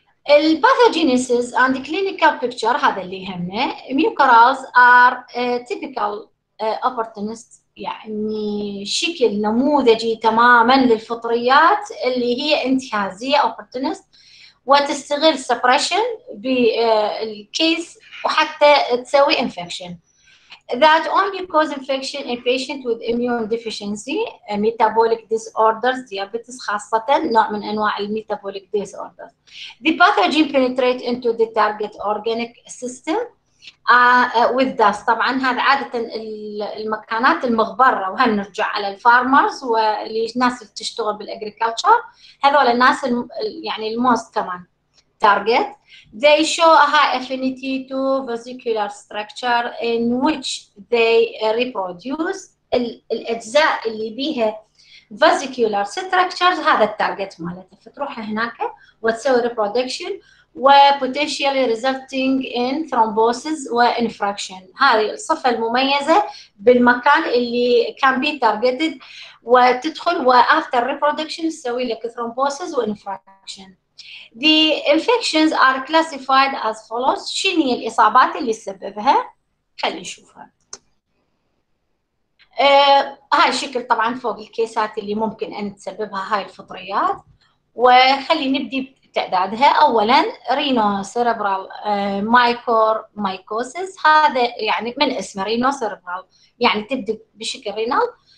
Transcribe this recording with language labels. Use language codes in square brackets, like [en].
[en] الباثوجينيسيس and clinical picture [ar] هذا اللي يهمنا، [en] mucorales are typical opportunist, [ar] يعني شكل نموذجي تماما للفطريات اللي هي انتهازيه اوبورتونست، وتستغل سبريشن بالكيس وحتى تسوي انفكشن. [en] That only cause infection in patient with immune deficiency, metabolic disorders, diabetes [ar] خاصة نوع من أنواع الميتابوليك ديسوردر. [en] The pathogen penetrate into the target organic system with dust. [ar] طبعا هذا عادة المكانات المغبرة، وهم نرجع على الفارمرز والناس اللي تشتغل بالاجريكلتشر، هذول الناس يعني الموست كمان target. [en] They show a high affinity to vesicular structure in which they reproduce. [ar] الاجزاء اللي بيها vesicular structures هذا التارجت مالته، فتروح هناك وتسوي reproduction [en] وpotentially resulting in thrombosis وinfraction. [ar] هذه الصفة المميزة بالمكان اللي [en] can be targeted [ar] وتدخل و [en] after reproduction [ar] تسوي لك thrombosis وinfraction. [en] The infections are classified as follows. [ar] شنو الإصابات اللي سببها؟ خلي نشوفها. هاي الشكل طبعا فوق الكيسات اللي ممكن أن تسببها هاي الفطريات. وخلي نبدي تعدادها. اولا رينو سيربرال مايكور مايكوسيس، هذا يعني من اسمه رينو سيربرال يعني تبدا بشكل رينال.